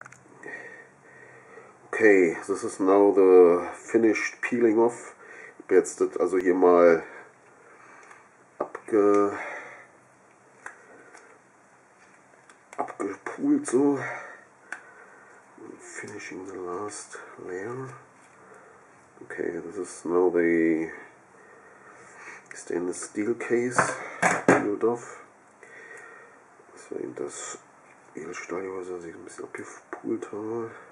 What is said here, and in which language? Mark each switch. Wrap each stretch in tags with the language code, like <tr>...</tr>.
<en>Okay, this is now the finished peeling off.</en> <de>Ich habe jetzt das also hier mal abgepult so.</de> <en>Finishing the last layer. Okay, this is now the stainless steel case peeled off.</en> <de>Das war eben das Edelstahlgehäuse, das ich ein bisschen abgepult habe.</de>